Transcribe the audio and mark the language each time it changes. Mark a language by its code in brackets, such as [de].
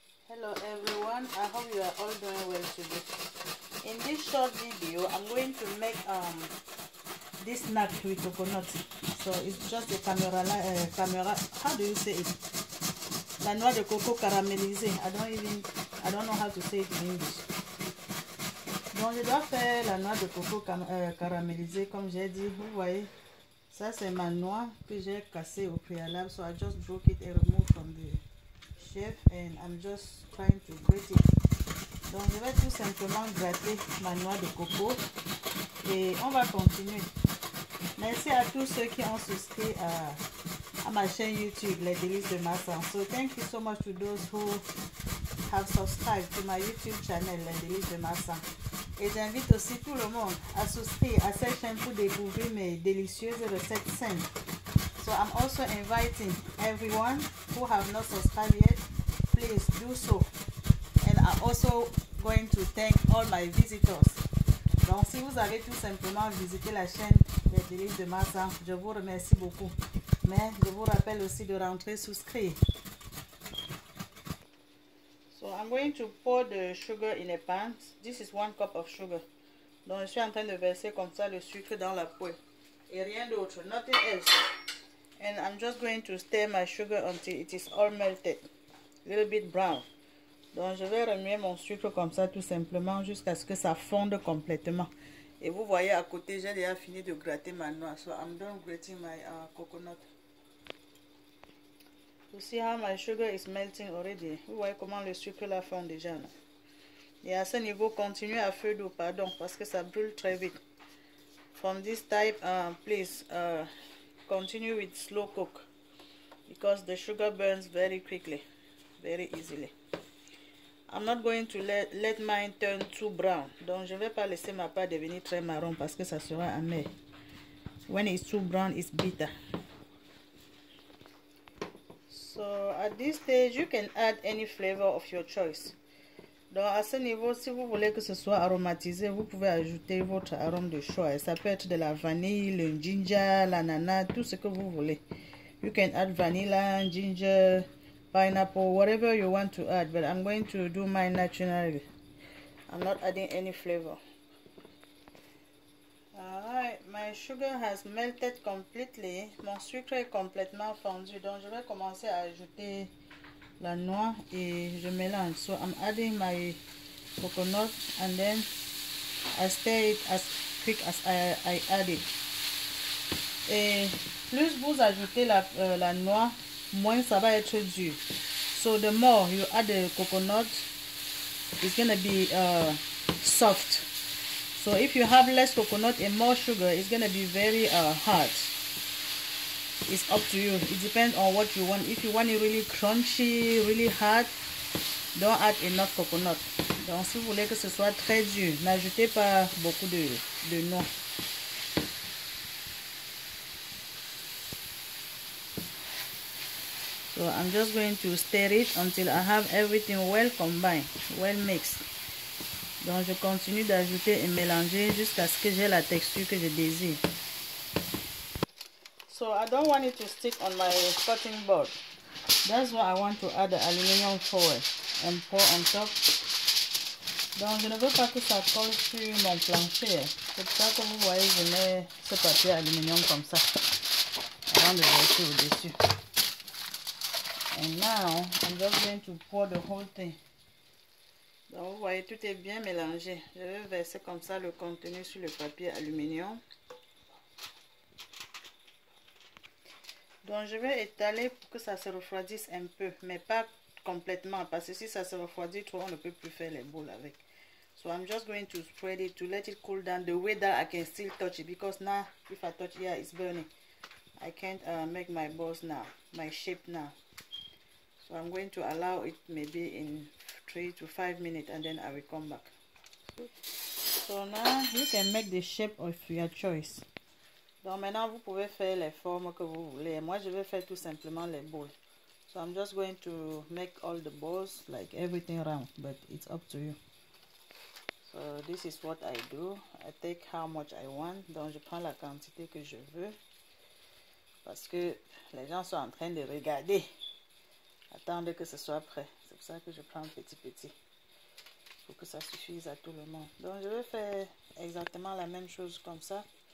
[en] Hello everyone, I hope you are all doing well today. In this short video, I'm going to make this snack with coconut. So it's just a camera. How do you say it? [fr] La noix de coco caramélisée. [en] I don't know how to say it in English. [fr] Donc je dois faire la noix de coco caramélisée, comme j'ai dit, vous voyez. Ça c'est ma noix que j'ai cassée au préalable, [en] so I just broke it and removed from the chef and I'm just trying to grate it. [fr] Donc je vais tout simplement gratter ma noix de coco et on va continuer. Merci à tous ceux qui ont souscrit à ma chaîne YouTube, Les Délices de Massan. [en] So thank you so much to those who have subscribed to my YouTube channel, Les Délices de Massan. [fr] Et j'invite aussi tout le monde à souscrire à cette chaîne pour découvrir mes délicieuses recettes saines. [en] So I'm also inviting everyone who have not subscribed yet, please do so. And I'm also going to thank all my visitors. [fr] Donc si vous avez tout simplement visité la chaîne Les Délices de Massan, je vous remercie beaucoup. Mais je vous rappelle aussi de rentrer souscrire. [en] So I'm going to pour the sugar in a pan. This is 1 cup of sugar. [fr] Donc je suis en train de verser comme ça le sucre dans la poêle. Et rien d'autre, [en] nothing else. And I'm just going to stir my sugar until it is all melted. A little bit brown. Donc je vais remuer mon sucre comme ça tout simplement jusqu'à ce que ça fonde complètement. Et vous voyez à côté, j'ai déjà fini de gratter ma noix. So I'm done grating my coconut. You see how my sugar is melting already. [fr] Vous voyez comment le sucre la fond déjà. Et à ce niveau, continuez à feu doux, pardon, parce que ça brûle très vite. [en] From this type, please, continue with slow cook. Because the sugar burns very quickly, very easily. I'm not going to let mine turn too brown. [fr] Donc je ne vais pas laisser ma pâte devenir très marron parce que ça sera amer. [en] When it's too brown, it's bitter. So at this stage, you can add any flavor of your choice. [fr] Donc à ce niveau, si vous voulez que ce soit aromatisé, vous pouvez ajouter votre arôme de choix. Et ça peut être de la vanille, le ginger, l'ananas, tout ce que vous voulez. [en] You can add vanilla, ginger, pineapple, whatever you want to add. But I'm going to do mine naturally. I'm not adding any flavor. My sugar has melted completely. [fr] Mon sucre est complètement fondu. Donc je vais commencer à ajouter la noix et je mélange. [en] So I'm adding my coconut and then I stir it as quick as I add it. [fr] Et plus vous ajoutez la noix, moins ça va être dur. [en] So the more you add the coconut, it's gonna be soft. So if you have less coconut and more sugar, it's going to be very hard. It's up to you. It depends on what you want. If you want it really crunchy, really hard, don't add enough coconut. [fr] Donc si vous voulez que ce soit très dur, n'ajoutez pas beaucoup de noix. [en] So I'm just going to stir it until I have everything well combined, well mixed. [fr] Donc je continue d'ajouter et mélanger jusqu'à ce que j'ai la texture que je désire. [en] So I don't want it to stick on my cutting board. That's why I want to add the aluminium foil and pour on top. [fr] Donc je ne veux pas que ça colle sur mon plancher. C'est pour ça que vous voyez, je mets ce papier aluminium comme ça. Avant de verser au-dessus. [en] And now, I'm just going to pour the whole thing. [fr] Donc vous voyez, tout est bien mélangé. Je vais verser comme ça le contenu sur le papier aluminium. Donc je vais étaler pour que ça se refroidisse un peu, mais pas complètement, parce que si ça se refroidit trop, on ne peut plus faire les boules avec. [en] So I'm just going to spread it to let it cool down the way that I can still touch it, because now, if I touch here, it's burning. I can't make my balls now, my shape now. So I'm going to allow it maybe in 3 to 5 minutes and then I will come back. So now you can make the shape of your choice. [fr] Donc maintenant vous pouvez faire les formes que vous voulez. Moi je vais faire tout simplement les balls. [en] So I'm just going to make all the balls, like everything round, but it's up to you. So this is what I do. I take how much I want. [fr] Donc je prends la quantité que je veux. Parce que les gens sont en train de regarder. Attendez que ce soit prêt. C'est pour ça que je prends petit petit. Pour que ça suffise à tout le monde. Donc je vais faire exactement la même chose comme ça.